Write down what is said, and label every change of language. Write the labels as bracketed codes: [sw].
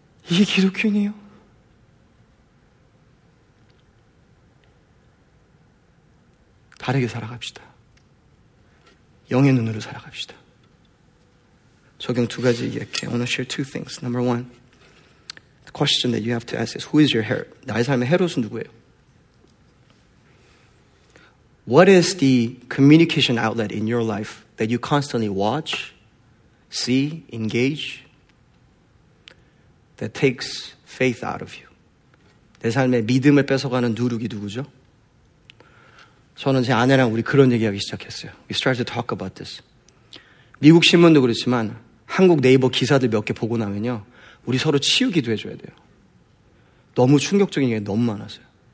[ko] 이게 기독교인이에요? 다르게 살아갑시다. 영의 눈으로 살아갑시다. 적용 두 가지 얘기할게요. [en] I want to share two things. Number one, the question that you have to ask is, who is your herod? [ko] 나의 삶의 헤롯은 누구예요? [en] What is the communication outlet in your life that you constantly watch, see, engage, that takes faith out of you? [ko] 내 삶에 믿음을 뺏어가는 누룩이 누구죠? 저는 제 아내랑 우리 그런 얘기하기 시작했어요. [en] We started to talk about this. [ko] 미국 신문도 그렇지만 한국 네이버 기사들 몇 개 보고 나면요. 우리 서로 치우기도 해줘야 돼요. 너무 충격적인 얘기가 너무 많았어요.